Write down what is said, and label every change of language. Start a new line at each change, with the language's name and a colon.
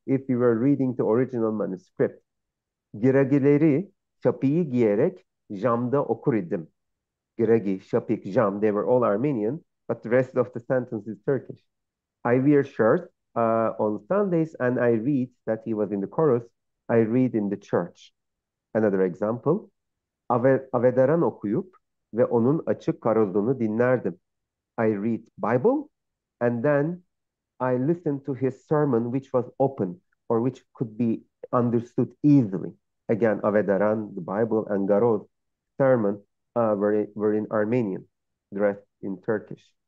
English: If you were reading the original manuscript,
Turkish: giragileri şapiği giyerek jamda okur idim.
English: Giragi, Şapik, Jam, they were all Armenian, but the rest of the sentence is Turkish. I wear shirt on Sundays, and I read, that he was in the chorus, I read in the church. Another example,
Turkish: Avedaran okuyup ve onun açık karozunu dinlerdim.
English: I read Bible, and then I listened to his sermon, which was open, or which could be understood easily. Again, Avedaran, the Bible, and Garoz, sermon, were in Armenian, dressed in Turkish.